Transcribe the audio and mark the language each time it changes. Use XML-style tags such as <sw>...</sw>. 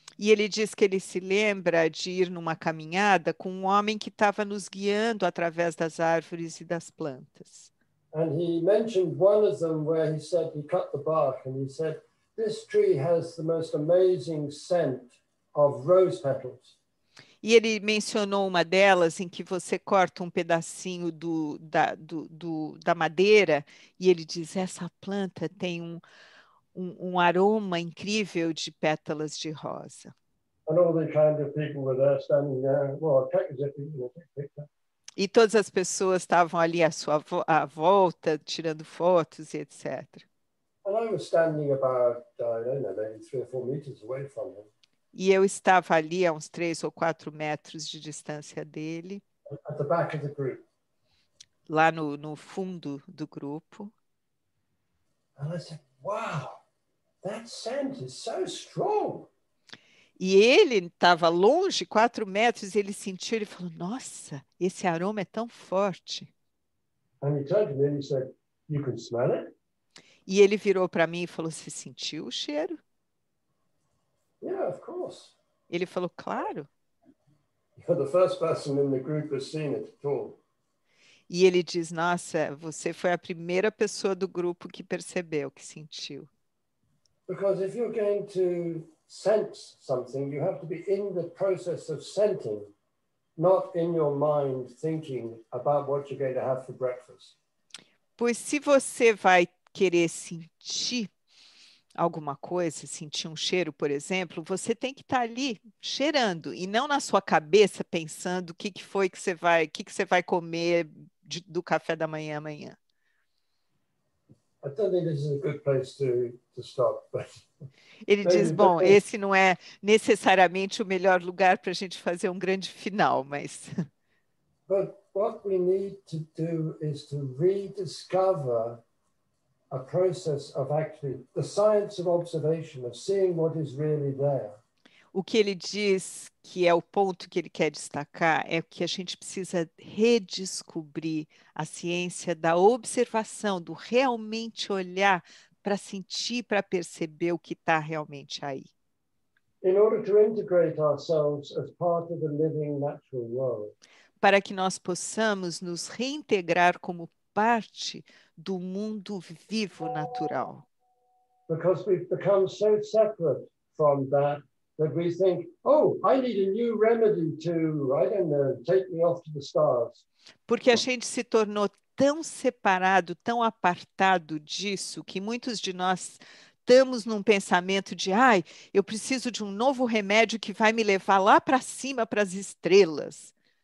<pt>E ele diz que ele se lembra de ir numa caminhada com um homem que estava nos guiando através das árvores e das plantas.</pt> <en>And he mentioned one of them where he said he cut the bark and he said, this tree has the most amazing scent of rose petals.</en> <pt>E ele mencionou uma delas em que você corta um pedacinho da madeira e ele diz, essa planta tem um aroma incrível de pétalas de rosa.</pt> <en>And all the kind of people were there standing there, well, technically, you know, take a picture.</en> <pt>E todas as pessoas estavam ali à sua à volta, tirando fotos e etc.</pt> <en>And I was standing about, I don't know, maybe 3 or 4 meters away from him.</en> <pt>E eu estava ali a uns 3 ou 4 metros de distância dele.</pt> <en>At the back of the group.</en> <pt>Lá no fundo do grupo.</pt> <en>And I said, wow, that scent is so strong.</en> <pt>E ele estava longe, 4 metros, e ele sentiu, ele falou, nossa, esse aroma é tão forte.</pt> <en>And he turned to me and he said, you can smell it?</en> <pt>E ele virou para mim e falou, você sentiu o cheiro?</pt> <en>Yeah, of course.</en> <pt>Ele falou, claro.</pt> <en>You're the first person in the group who's seen it at all.</en> <pt>E ele diz, nossa, você foi a primeira pessoa do grupo que percebeu, que sentiu.</pt> <en>Because if you're going to sense something, you have to be in the process of scenting, not in your mind thinking about what you're going to have for breakfast.</en> <pt>Pois se você vai querer sentir alguma coisa, sentir um cheiro, por exemplo, você tem que estar ali cheirando e não na sua cabeça pensando o que você vai comer do café da manhã amanhã.</pt> <en>I don't think this is a good place to stop, but</en> <pt>ele diz, bom, esse não é necessariamente o melhor lugar para a gente fazer um grande final, mas...</pt> <en>But what we need to do is to rediscover a process of actually the science of observation, of seeing what is really there.</en> <pt>O que ele diz que é o ponto que ele quer destacar é que a gente precisa redescobrir a ciência da observação, do realmente olhar para sentir, para perceber o que está realmente aí.</pt> <en>In order to integrate ourselves as part of the living natural world.</en> <pt>Para que nós possamos nos reintegrar como parte do mundo vivo natural.</pt> <en>Because we've become so separate from that we think, oh, I need a new remedy to, I don't know, take me off to the stars.</en> <pt>Porque a gente se tornou tão separado, tão apartado disso, que muitos de nós estamos num pensamento de, ai, eu preciso de um novo remédio que vai me levar lá para cima, para as estrelas.</pt>